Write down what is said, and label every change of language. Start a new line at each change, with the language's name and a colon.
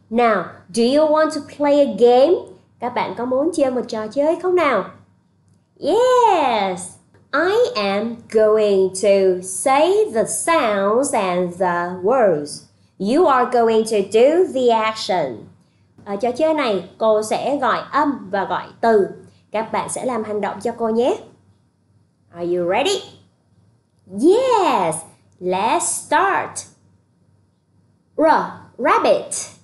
English: Now, do you want to play a game?
Vietnamese: Các bạn có muốn chơi một trò chơi không nào?
English: Yes. I am going to say the sounds and the words. You are going to do the action.
Vietnamese: Ở trò chơi này, cô sẽ gọi âm và gọi từ. Các bạn sẽ làm hành động cho cô nhé.
English: Are you ready? Yes. Let's start. Rabbit.